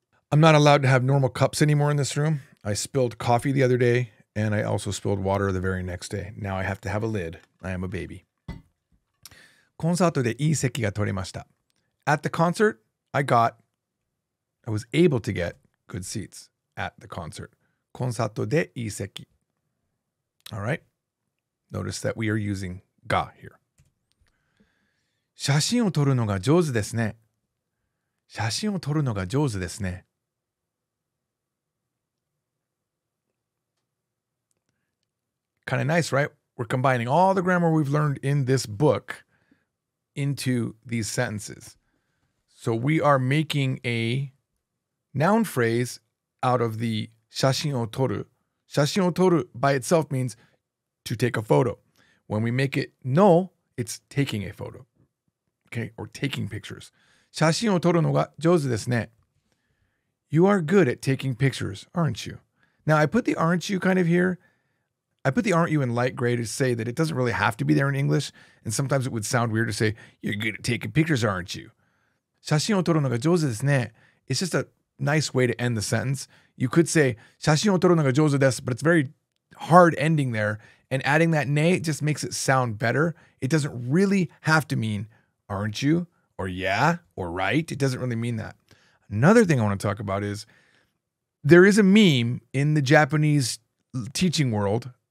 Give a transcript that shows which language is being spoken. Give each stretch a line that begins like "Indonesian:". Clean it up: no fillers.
English: I'm not allowed to have normal cups anymore in this room. I spilled coffee the other day, and I also spilled water the very next day. Now I have to have a lid. I am a baby.
Japanese: コンサートでいい席が取れました。
English: At the concert, I was able to get good seats at the concert.
Japanese: コンサートでいい席。
English: All right. Notice that we are using が here.
Japanese: 写真を撮るのが上手ですね。写真を撮るのが上手ですね。
English: Kind of nice, right? We're combining all the grammar we've learned in this book into these sentences. So we are making a noun phrase out of the
Japanese: 写真を撮る. 写真を撮る
English: by itself means to take a photo. When we make it no, it's taking a photo. Okay, or taking pictures.
Japanese: 写真を撮るのが上手ですね.
English: You are good at taking pictures, aren't you? Now I put the aren't you kind of here. I put the aren't you in light gray to say that it doesn't really have to be there in English. And sometimes it would sound weird to say, you're good at taking pictures, aren't you?
Japanese: 写真を撮るのが上手ですね。
English: It's just a nice way to end the sentence. You could say,
Japanese: 写真を撮るのが上手です,
English: but it's very hard ending there. And adding that ne just makes it sound better. It doesn't really have to mean, aren't you? Or yeah, or right. It doesn't really mean that. Another thing I want to talk about is, there is a meme in the Japanese teaching world.